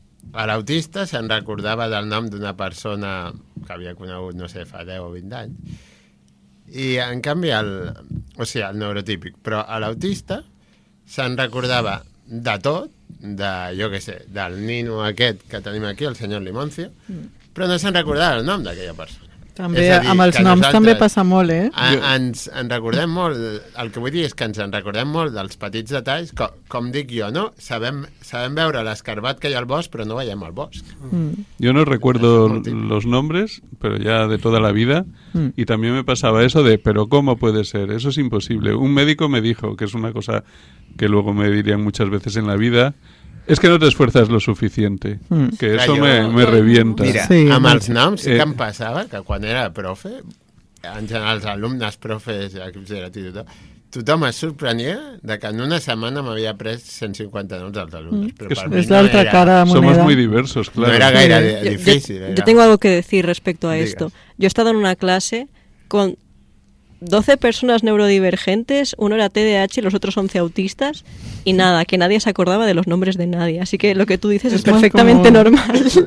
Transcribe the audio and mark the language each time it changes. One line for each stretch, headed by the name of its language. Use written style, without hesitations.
Catalan: l'autista se'n recordava del nom d'una persona que havia conegut, no sé, fa 10 o 20 anys, i en canvi, el neurotípic, però l'autista se'n recordava de tot, de, jo què sé, del nino aquest que tenim aquí, el senyor Limoncio, però no se'n recordava el nom d'aquella persona. També, dir, amb els noms també passa molt, eh? Ens recordem molt, el que vull dir és que ens en recordem molt dels petits detalls, com dic jo, no? Sabem veure l'escarbat que hi ha al bosc, però no veiem el bosc. Mm.
Spanish: Yo no recuerdo los nombres, pero ya de toda la vida, y también me pasaba eso de, pero ¿cómo puede ser? Eso es imposible. Un médico me dijo, que es una cosa que luego me dirían muchas veces en la vida, es que no te esfuerzas lo suficiente, que clar, eso me revienta.
Catalan: Mira, sí, amb els noms sí que em passava, que quan era profe, en general els alumnes, profes, equips directius i tot, tothom es sorprenia de que en una setmana m'havia pres 150 noms dels alumnes. Però és l'altra no cara de moneda.
Spanish: Somos muy diversos, claro.
Catalan: No era gaire difícil.
Spanish: Yo tengo algo que decir respecto a esto. Yo he estado en una clase con 12 personas neurodivergentes, uno era TDAH y los otros 11 autistas, y nada, que nadie se acordaba de los nombres de nadie. Así que lo que tú dices es perfectamente como normal.